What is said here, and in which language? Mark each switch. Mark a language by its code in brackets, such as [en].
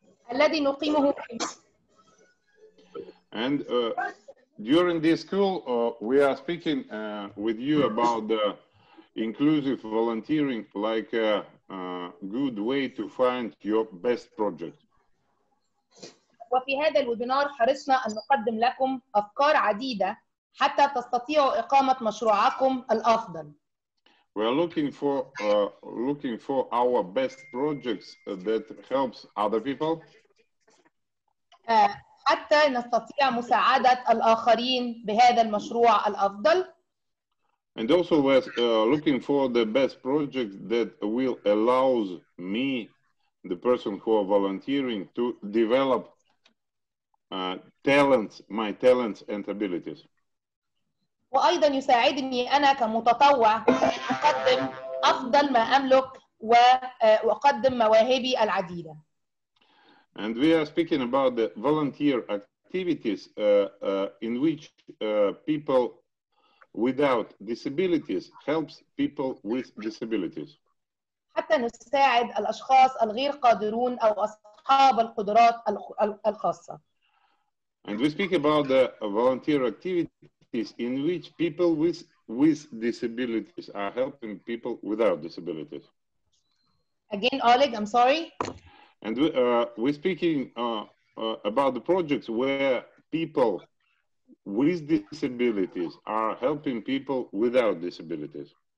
[en] And during this school, we are speaking with you about the inclusive volunteering like a good way to find your best project. [ar] وفي هذا الويبينار حرصنا أن نقدم لكم أفكار عديدة حتى تستطيعوا إقامة مشروعكم الأفضل. [en] We are looking for our best projects that helps other people. [ar] حتى نستطيع مساعدة الآخرين بهذا المشروع الأفضل. [en] And also we're looking for the best project that will allow me, the person who are volunteering, to develop talents, my talents and abilities. [ar] وأيضا يساعدني أنا كمتطوع أقدم أفضل ما أملك وأقدم مواهبي العديدة. [en] And we are speaking about the volunteer activities in which people without disabilities helps people with disabilities. [ar] حتى نساعد الأشخاص الغير قادرون أو أصحاب القدرات الخاصة. [en] And we speak about the volunteer activities in which people with disabilities are helping people without disabilities. Again, Oleg, I'm sorry. And we're speaking about the projects where people with disabilities are helping people without disabilities.